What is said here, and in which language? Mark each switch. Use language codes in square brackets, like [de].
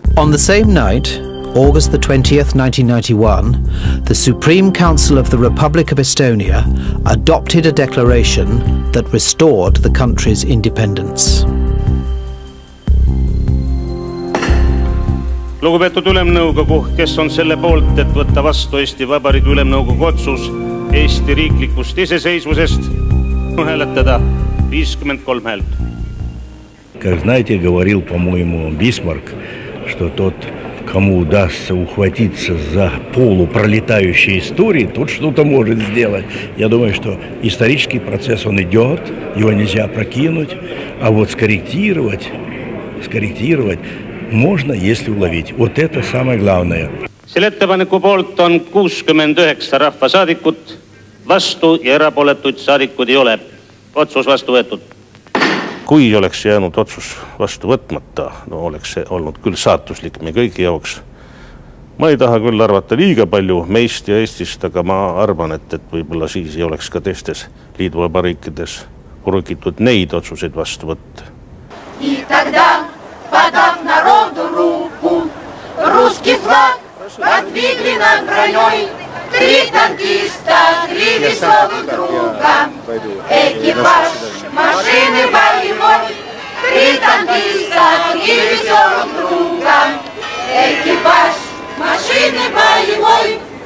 [en] On the same night, August the 20th, 1991, the Supreme Council of the Republic of Estonia adopted a declaration that restored the country's independence. [et] Lugupeetud ülemnõukogu, kes on selle poolt, et võtta vastu Eesti Vabariigi ülemnõukogu otsus Eesti riiklikust iseseisvusest, hääletada 53 häält. [ru] Как знаете, говорил, по-моему, Бисмарк, что тот, кому удастся ухватиться за полупролетающие истории, тот что-то может сделать. Я думаю, что исторический процесс, он идет, его нельзя прокинуть, а вот скорректировать можно, если уловить. Вот это самое главное. [et] Selle ettepaneku poolt on 69 rahvasaadikut, vastu ja erapooletud saadikud ei ole. Otsus vastu võetud. Kui oleks jäänud otsus vastu võtmata, no oleks see olnud küll saatuslik me kõigi jaoks. Ma ei taha küll arvata liiga palju meist ja Eestist, aga ma arvan, et võibolla siis ei oleks ka teistes liiduvabariikides urgitud neid otsuseid vastu võtta. [ru] И тогда, подав народу руку, русский флаг подвигли над броней. Три танкиста, три весовых друга, экипаж машины боевой. Три танкиста, три весовых друга, экипаж машины боевой.